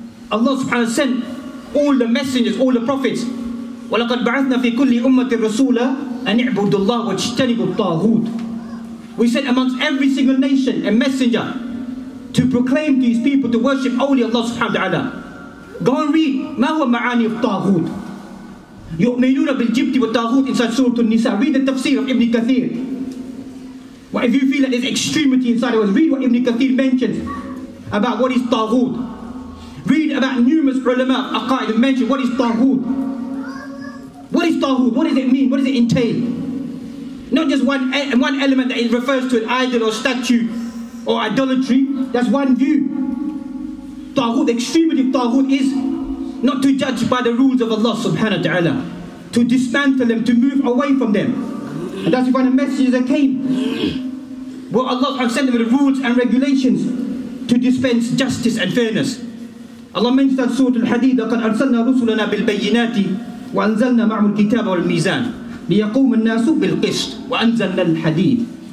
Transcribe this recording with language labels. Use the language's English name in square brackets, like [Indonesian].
[English] Allah subhanahu wa ta'ala sent all the messengers, all the prophets. [Arabic] وَلَقَدْ بَعَثْنَا فِي كُلِّ أُمَّةٍ رَسُولًا أَنْ اِعْبُدُ اللَّهُ وَاجْتَنِبُ الطَّاغُوتِ. [English] We said amongst every single nation a messenger to proclaim to his people to worship only Allah subhanahu wa ta'ala. Go and read. [Arabic] مَا هُوَ مَعَانِي الطَّاغُوتِ يُؤْمِنُونَ بِالْجِبْتِ وَالطَّاغُوتِ [English] inside Surah An-Nisa. Read the tafsir of Ibn Kathir. What if you feel that there's extremity inside of us, read what Ibn Kathir mentions about what is طاغوت. Read about numerous ulama, aqaid, and mention what is طاغوت. What is tawhud? What does it mean? What does it entail? Not just one element that it refers to an idol or statue or idolatry. That's one view. Tawhud, the extremity of tawhud is not to judge by the rules of Allah subhanahu wa ta'ala. To dismantle them, to move away from them. And that's why the messengers that came, where Allah has sent them with rules and regulations to dispense justice and fairness. Allah mentions that Surah Al-Hadid, [Arabic] قَدْ أَرْسَلْنَا رُسُلَنَا بِالْبَيِّنَاتِ وَأَنزَلْنَا مَعْمُ الْكِتَابَ وَالْمِيزَانِ لِيَقُومَ النَّاسُ بِالْقِسْطِ وَأَنزَلْنَا الْحَدِيدِ.